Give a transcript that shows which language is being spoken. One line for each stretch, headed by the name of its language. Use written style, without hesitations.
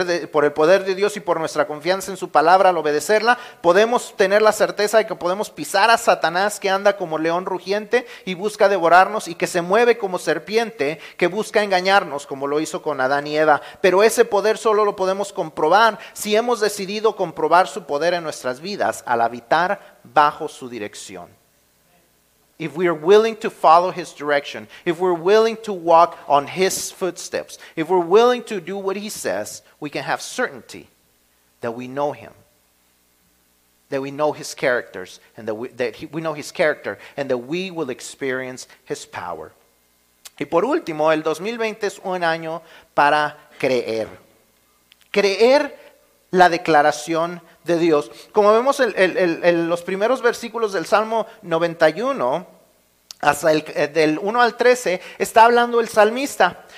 Spanish: Por el poder de Dios y por nuestra confianza en su palabra al obedecerla, podemos tener la certeza de que podemos pisar a Satanás, que anda como león rugiente y busca devorarnos, y que se mueve como serpiente que busca engañarnos, como lo hizo con Adán y Eva. Pero ese poder solo lo podemos comprobar si hemos decidido comprobar su poder en nuestras vidas al habitar bajo su dirección.
English: If we are willing to follow His direction, if we're willing to walk on His footsteps, if we're willing to do what He says, we can have certainty that we know Him, that we know His characters, and that we will experience His power.
Spanish: Y por último, el 2020 es un año para creer. Creer la declaración de Dios. Como vemos en los primeros versículos del Salmo 91, hasta del 1 al 13, está hablando el salmista.